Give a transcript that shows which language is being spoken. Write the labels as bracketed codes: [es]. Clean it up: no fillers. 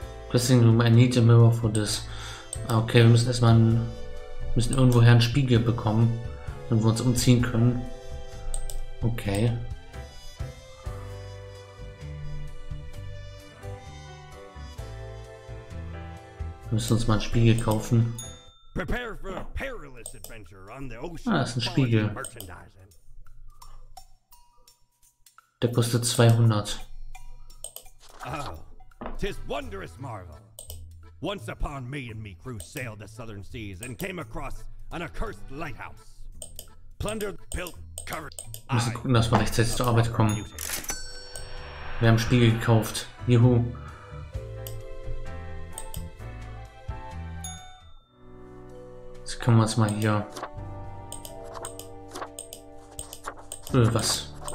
[en] Blessing, I need a mirror for this. [de] Okay, wir müssen erstmal irgendwoher einen Spiegel bekommen, damit wir uns umziehen können. Okay. Wir müssen uns mal einen Spiegel kaufen. [en] Prepare for a perilous adventure on the ocean. [de] Ah, das ist ein Spiegel. Der kostet 200. [en] Oh, tis wondrous marvel. Once upon me and me crew sailed the southern seas and came across an accursed lighthouse. Plundered, built, covered. [de] Wir müssen gucken, dass wir rechtzeitig zur Arbeit kommen. Wir haben Spiegel gekauft. Juhu. Können wir uns mal hier. Was?